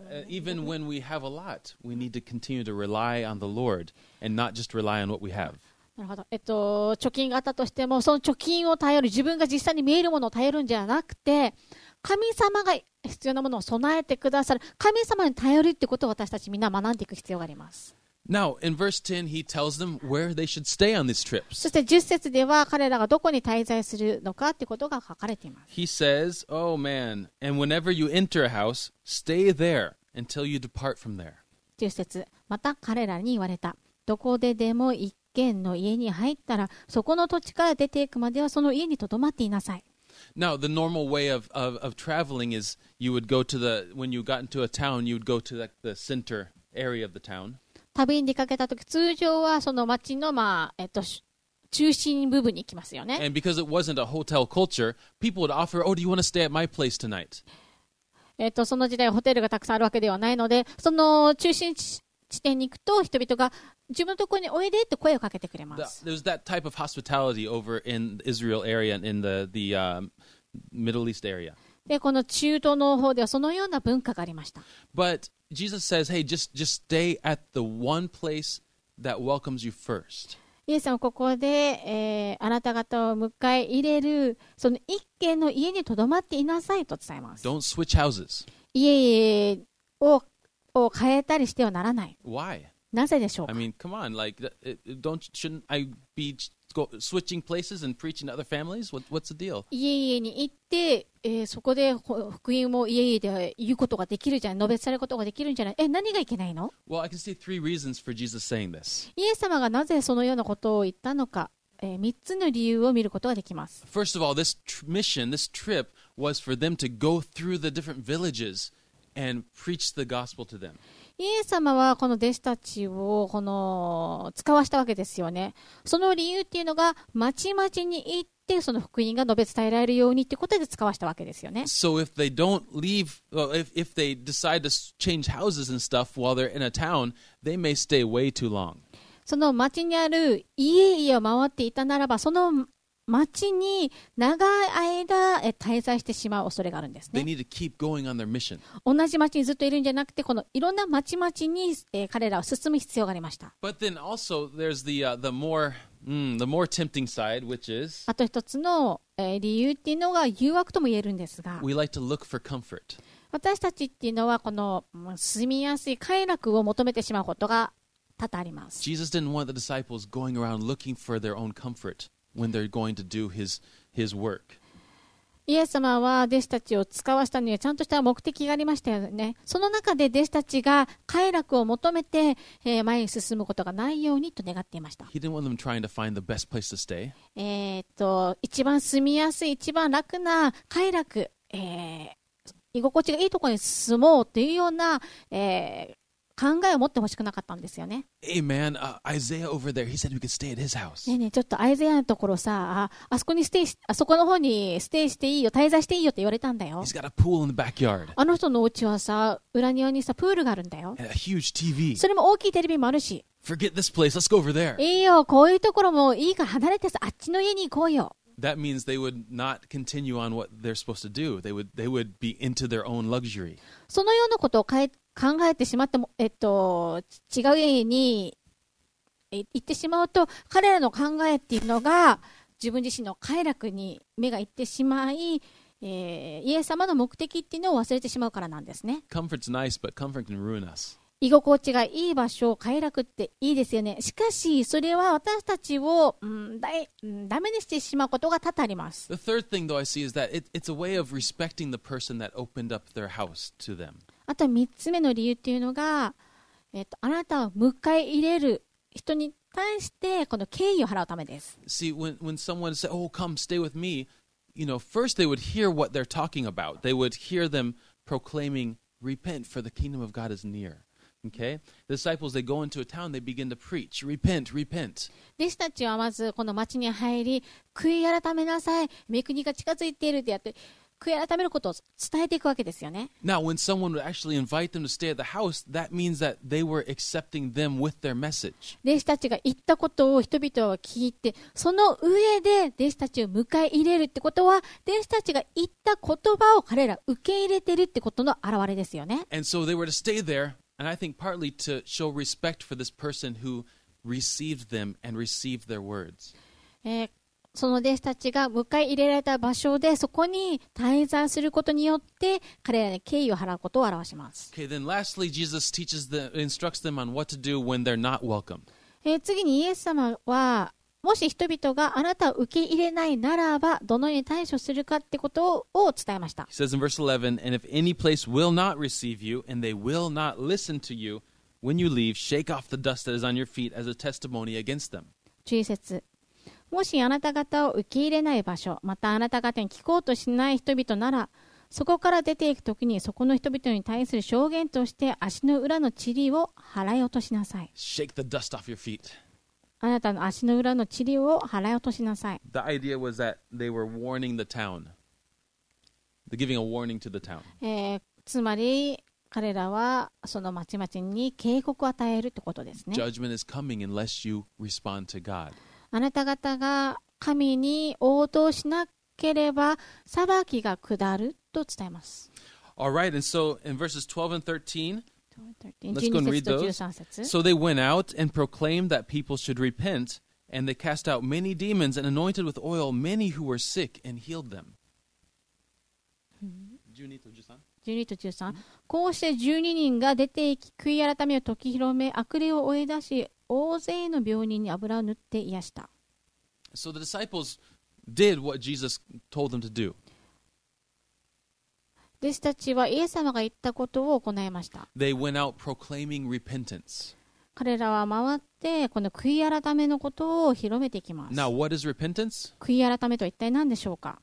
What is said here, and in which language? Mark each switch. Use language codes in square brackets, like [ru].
[en] Even when we have a lot, we need to continue to rely on the Lord and not just rely on what we have. [ja] なるほど。貯金があったとしても、その貯金を頼る、自分が実際に見えるものを頼るんじゃなくて、神様が必要なものを備えてくださる、神様に頼るってことを私たちみんな学んでいく必要があります。 [en] Now, in verse 10, he tells them where they should stay on these trips. [ja] そして10節では彼らがどこに滞在するのかということが書かれています。 [en] He says, oh man, and whenever you enter a house, stay there until you depart from there. [ja] 10節、また彼らに言われた。どこででも一軒の家に入ったら、そこの土地から出ていくまではその家に留まっていなさい。 [en] Now, the normal way of traveling is you would go to the, when you got into a town, you would go to the center area of the town. [ja] 旅に出かけたとき、通常はその町の、まあ中心部分に行きますよね。 [en] And because it wasn't a hotel culture, people would offer, oh, do you want to stay at my place tonight? [ja] その時代ホテルがたくさんあるわけではないので、その中心地点に行くと人々が自分のところにおいでって声をかけてくれます。 [en] There was that type of hospitality over in Israel area and in the Middle East area. [ja] で、この中東の方ではそのような文化がありました。 [en] But Jesus says, hey, just stay at the one place that welcomes you first. [ja] イエス様はここで、あなた方を迎え入れるその一軒の家にとどまっていなさいと伝えます。 [en] Don't switch houses. [ja] 家を変えたりしてはならない。 [en] Why? [ja] なぜでしょうか。 [en] I mean, come on, like, don't, shouldn't I be switching places and preaching to other families? What's the deal? [ja] 家に行って、そこで福音を家で言うことができるじゃない、述べされることができるんじゃない。何がいけないの？ [en] Well, I can see three reasons for Jesus saying this. [ja] イエス様がなぜそのようなことを言ったのか、3つの理由を見ることができます。 [en] First of all, this mission, this trip was for them to go through the different villages and preach the gospel to them. [ja] イエス様はこの弟子たちをこの使わしたわけですよね。その理由っていうのが町々に行ってその福音が述べ伝えられるようにってことで使わしたわけですよね。 [en] So if they don't leave, well, if they decide to change houses and stuff while they're in a town, they may stay way too long. [ja] その町にある家々を回っていたならば、その町に長い間滞在してしまう恐れがあるんですね。 [en] They need to keep going on their mission. [ja] 同じ町にずっといるんじゃなくて、このいろんな町々に彼らを進む必要がありました。 [en] But then also there's the more tempting side, which is [ja] あと一つの理由っていうのが誘惑とも言えるんですが、 [en] We like to look for comfort. [ja] 私たちっていうのはこの住みやすい快楽を求めてしまうことが多々あります。 [en] Jesus didn't want the disciples going around looking for their own comfort. When they're going to do his work. [ja] イエス様は弟子たちを使わしたにはちゃんとした目的がありましたよね。その中で弟子たちが快楽を求めて前に進むことがないようにと願っていました。 [en] He didn't want them trying to find the best place to stay. [ja] 一番住みやすい、一番楽な快楽、居心地がいいところに住もうというような、考えを持ってほしくなかったんですよね。 [en] Amen. Isaiah over there, he said we could stay at his house. [ja] ねえねえ、ちょっとアイゼアのところさ、あそこの方にステイしていいよ、滞在していいよって言われたんだよ。 [en] He's got a pool in the backyard. [ja] あの人のお家はさ、裏庭にさ、プールがあるんだよ。 [en] And a huge TV. [ja] それも大きいテレビもあるし。 [en] Forget this place, let's go over there. [ja] いいよ、こういうところもいいから離れてさ、あっちの家に行こうよ。 [en] That means they would not continue on what they're supposed to do. They would be into their own luxury. [ja] そのようなことを考えてしまっても、違う家に行ってしまうと、彼らの考えっていうのが自分自身の快楽に目が行ってしまい、イエス様の目的っていうのを忘れてしまうからなんですね。 [en] Comfort's nice, but comfort can ruin us. [ja] 居心地がいい場所、快楽っていいですよね。しかしそれは私たちを、ダメにしてしまうことが多々あります。 [en] The third thing though I see is that it's a way of respecting the person that opened up their house to them. [ja] あと3つ目の理由っていうのが、あなたを迎え入れる人に対してこの敬意を払うためです。 [en] See, when someone said, oh, come stay with me, you know, first they would hear what they're talking about. They would hear them proclaiming, repent, for the kingdom of God is near. Okay? The disciples, they go into a town, they begin to preach, repent, repent. [ja] 弟子たちはまずこの町に入り、悔い改めなさい、御国が近づいているってやって、悔い改めることを伝えていくわけですよね。 [en] Now, when someone would actually invite them to stay at the house, that means that they were accepting them with their message. [ja] 弟子たちが言ったことを人々は聞いて、その上で弟子たちを迎え入れるってことは、弟子たちが言った言葉を彼ら受け入れてるってことの表れですよね。 [en] And so they were to stay there, and I think partly to show respect for this person who received them and received their words. [ja] その弟子たちが迎え入れられた場所でそこに滞在することによって彼らに敬意を払うことを表します。 [en] Okay, then lastly, Jesus teaches them, instructs them on what to do when they're not welcome. [ja] 次にイエス様はもし人々があなたを受け入れないならばどのように対処するかってことを伝えました。 [en] He says in verse 11, And if any place will not receive you and they will not listen to you when you leave, shake off the dust that is on your feet as a testimony against them. [ja] 注意節、もしあなた方を受け入れない場所、またあなた方に聞こうとしない人々なら、そこから出ていくときにそこの人々に対する証言として足の裏の塵を払い落としなさい。 [en] Shake the dust off your feet. [ja] あなたの足の裏の塵を払い落としなさい。 [en] The idea was that they were warning the town. They're giving a warning to the town. [ja] つまり彼らはその町々に警告を与えるってことですね。 [en] Judgment is coming unless you respond to God. [ja] あなた方が神に応答しなければ裁きが下ると伝えます。 [en] All right, and so in verses 12 and 13, 12 and 13 let's go and read those. [ja] 13 節と13節。 [en] So they went out and proclaimed that people should repent, and they cast out many demons and anointed with oil many who were sick and healed them. [ja] 12と13。こうして12人が出て行き、悔い改めを解き広め、悪霊を追い出し、大勢の病人に油を塗って癒した。 [en] So the disciples did what Jesus told them to do. [ja] 弟子たちはイエス様が言ったことを行いました。 [en] They went out proclaiming repentance. [ja] 彼らは回ってこの悔い改めのことを広めていきます。 [en] Now what is repentance? [ja] 悔い改めとは一体何でしょうか?